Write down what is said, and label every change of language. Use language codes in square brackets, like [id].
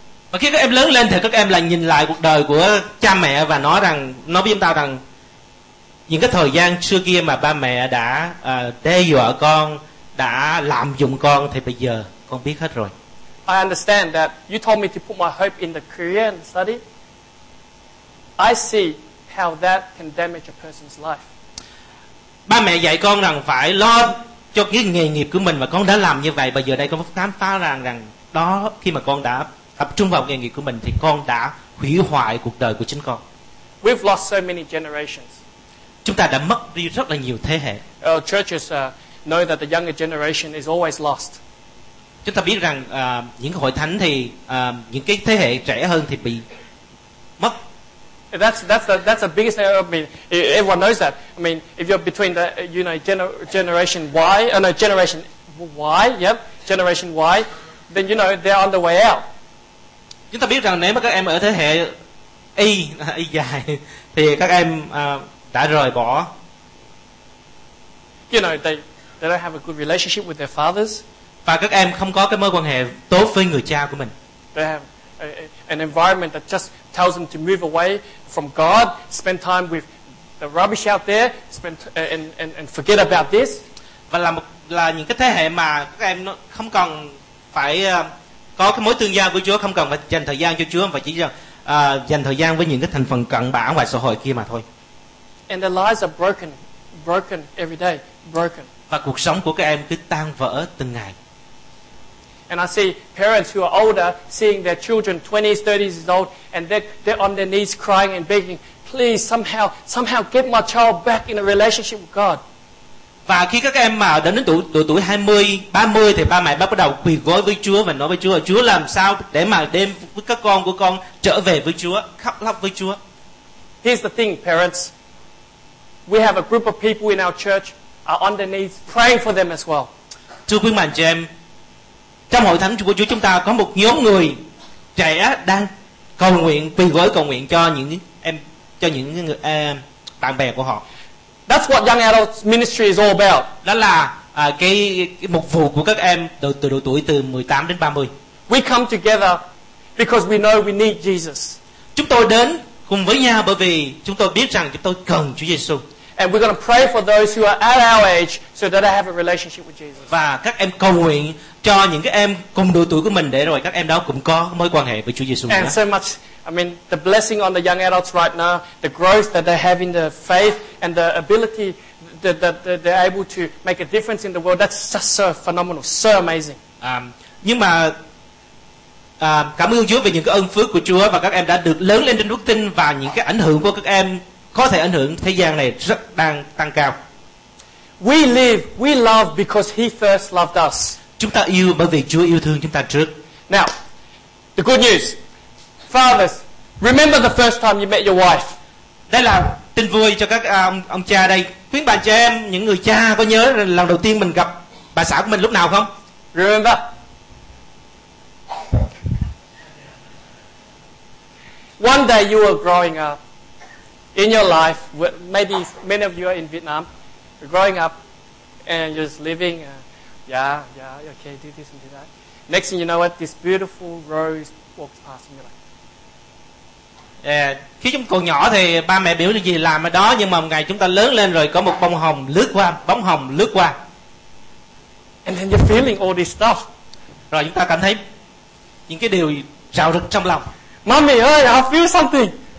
[vi] Và khi các em lớn lên thì các em lại nhìn lại cuộc đời của cha mẹ và nói với chúng ta rằng những cái thời gian xưa kia mà ba mẹ đã đe dọa con, đã lạm dụng con, thì bây giờ con biết hết rồi. [en] I understand that you told me to put my hope in the career and study. I see how that can damage a person's life. [vi] Ba mẹ dạy con rằng phải lo cho cái nghề nghiệp của mình, và con đã làm như vậy. Bây giờ đây con khám phá rằng đó, khi mà con đã tập trung vào nghề nghiệp của mình thì con đã hủy hoại cuộc đời của chính con. [en] We've lost so many generations. [vi] Chúng ta đã mất đi rất là nhiều thế hệ. [en] Churches know that the younger generation is always lost. [vi] Chúng ta biết rằng những hội thánh thì những cái thế hệ trẻ hơn thì bị mất. [en] That's the biggest thing. I mean, everyone knows that. I mean, if you're between the, you know, generation Y, then you know they're on the way out. [vi] Chúng ta biết rằng nếu mà các em ở thế hệ Y dài thì các em đã rời bỏ. [en] You know, they don't have a good relationship with their fathers. [vi] Và các em không có cái mối quan hệ tốt với người cha của mình. [en] They have an environment that just tells them to move away from God, spend time with the rubbish out there, and forget about this. [vi] Và là những cái thế hệ mà các em nó không cần phải có cái mối tương giao với Chúa, không cần phải dành thời gian cho Chúa, và chỉ dành thời gian với những cái thành phần cận bã ngoài xã hội kia mà thôi. [en] And their lives are broken every day. [vi] Và cuộc sống của các em cứ tan vỡ từng ngày. [en] And I see parents who are older seeing their children 20s, 30s years old, and they're on their knees crying and begging, please somehow get my child back in a relationship with God. [vi] Và khi các em mà đến tuổi tuổi 20, 30 thì ba mẹ bắt đầu quỳ gối với Chúa và nói với Chúa, Chúa làm sao để mà đem với các con của con trở về với Chúa, khóc lóc với Chúa. [en] Here's the thing, parents. We have a group of people in our church are on their knees praying for them as well. [vi] Thưa quý mạng chị em, trong hội thánh của Chúa chúng ta có một nhóm người trẻ đang cầu nguyện, quỳ gối cầu nguyện cho những em, cho những người, bạn bè của họ. [en] That's what young adult ministry is all about. [vi] Đó là cái mục vụ của các em từ độ tuổi từ 18 đến 30. [en] We come together because we know we need Jesus. [vi] Chúng tôi đến cùng với nhau bởi vì chúng tôi biết rằng chúng tôi cần Chúa Giêsu. [en] And we're going to pray for those who are at our age so that they have a relationship with Jesus. [vi] Và các em cầu nguyện cho những cái em cùng độ tuổi của mình để rồi các em đó cũng có mối quan hệ với Chúa Giêsu. [en] And so much, I mean, the blessing on the young adults right now, the growth that they have in the faith and the ability that they're able to make a difference in the world, that's just so phenomenal, so amazing. [vi] Nhưng mà cảm ơn Chúa về những cái ân phước của Chúa và các em đã được lớn lên trên đức tin và những cái ảnh hưởng của các em có thể ảnh hưởng thế gian này rất đang tăng cao. [en] We live, we love because He first loved us. [vi] Chúng ta yêu bởi vì Chúa yêu thương chúng ta trước. [en] Now, the good news. Fathers, remember the first time you met your wife. [vi] Đây là tin vui cho các ông cha đây. Quý bà cho em, những người cha có nhớ lần đầu tiên mình gặp bà xã của mình lúc nào không? [en] Remember. One day you were growing up in your life, maybe many of you are in Vietnam, growing up and you're just living, okay, do this and do that. Next thing you know what, this beautiful rose walks past and you're like, yeah. [vi] Khi chúng còn nhỏ thì ba mẹ biểu là gì làm ở đó, nhưng mà một ngày chúng ta lớn lên rồi có một bông hồng lướt qua, bóng hồng lướt qua. [en] And then you're feeling all this stuff. [vi] Rồi chúng ta cảm thấy những cái điều rạo rực trong lòng. [en] Mommy ơi, I feel something.